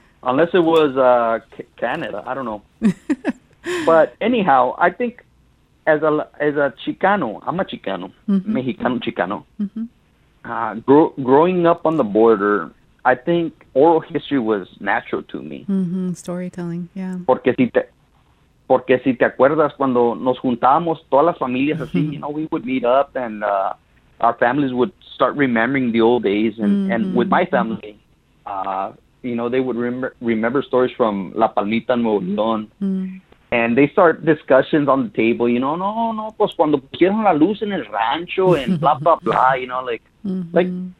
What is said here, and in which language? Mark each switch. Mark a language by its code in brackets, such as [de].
[en] Unless it was Canada. I don't know. But anyhow, I think... As a Chicano, I'm a Chicano, mm-hmm. Mexicano Chicano. Mm-hmm. Growing up on the border, I think oral history was natural to me. Mm-hmm. Storytelling, yeah. [es] Porque si te acuerdas cuando nos juntábamos todas las familias así, mm-hmm. [en] We would meet up and our families would start remembering the old days, and mm-hmm. and with my family, they would remember stories from La Palmita, Nuevo León. Mm-hmm. And they start discussions on the table, [es] pues cuando pusieron la luz en el rancho [en] and blah, blah, blah, mm-hmm.